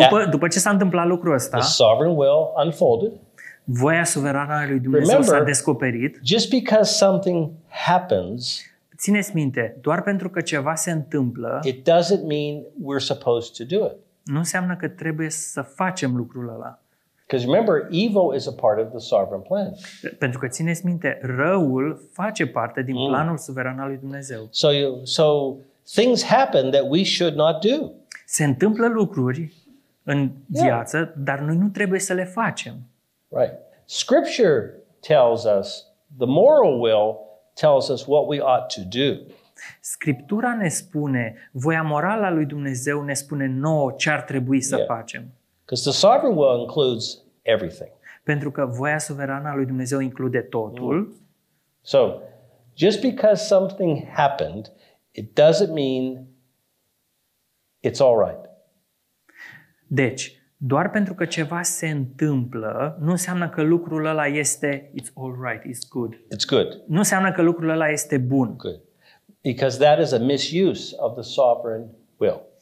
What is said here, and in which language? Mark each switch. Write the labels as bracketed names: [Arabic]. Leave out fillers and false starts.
[Romanian] după ce s-a întâmplat lucrul ăsta. [English] The sovereign will unfolded. [Romanian] Voia suverană a lui Dumnezeu s-a descoperit. [English] Just because something happens [Romanian] Țineți minte, doar pentru că ceva se întâmplă, [English] it doesn't mean we're supposed to do it. [Romanian] Nu înseamnă că trebuie să facem lucrul ăla. [English] Because remember, evil is a part of the sovereign plan. [Romanian] Pentru că țineți minte, răul face parte din planul suveran al lui Dumnezeu. [English] So things happen that we should not do. [Romanian] Se întâmplă lucruri în viață, dar noi nu trebuie să le facem. [English] Right. Scripture tells us, the moral will tells us what we ought to do. [Romanian] Scriptura ne spune, voia morală a lui Dumnezeu ne spune nouă ce ar trebui să facem. [English] Because the sovereign will includes everything. [Romanian] Pentru că voia suverană a lui Dumnezeu include totul. [English] So, just because something happened, it doesn't mean it's all right. [Romanian] Deci, doar pentru că ceva se întâmplă, nu înseamnă că lucrul ăla este [English] it's all right, it's good. It's good. [Romanian] Nu înseamnă că lucrul ăla este bun. [English] Good. Because that is a misuse of the sovereign will.